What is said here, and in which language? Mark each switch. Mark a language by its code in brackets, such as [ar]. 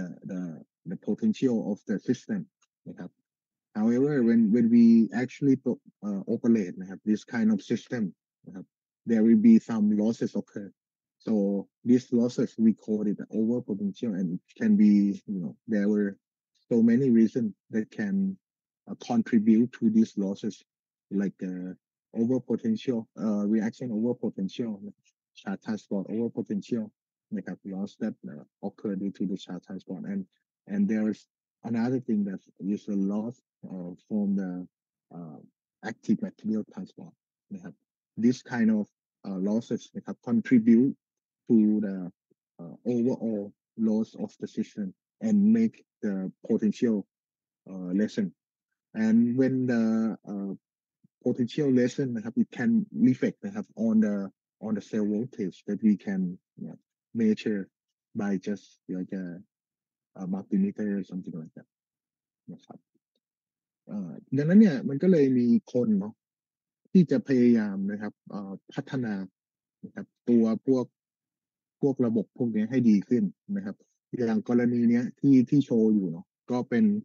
[en] the potential of the system [th] นะครับ [en] however when we actually operate นะครับ this kind of system นะครับ there will be some losses occurSo these losses we call it over potential and can be, you know, there were so many reasons that can contribute to these losses, like over potential, reaction over potential, charge transport over potential, like a loss that occurred due to the charge transport. And there is another thing that is a loss from the active material transport. This kind of losses contributeTo the overall loss of the system and make the potential lessen, and when the potential lessen, it can reflect on the cell voltage that we can measure by just like a multimeter or something like that. [th] นะครับ ดังนั้นเนี่ยมันก็เลยมีคนเนาะที่จะพยายามนะครับพัฒนานะครับตัวพวกระบบพวกนี้ให้ดีขึ้นนะครับอย่างกรณีเนี้ยที่โชว์อยู่เนาะก็เป็น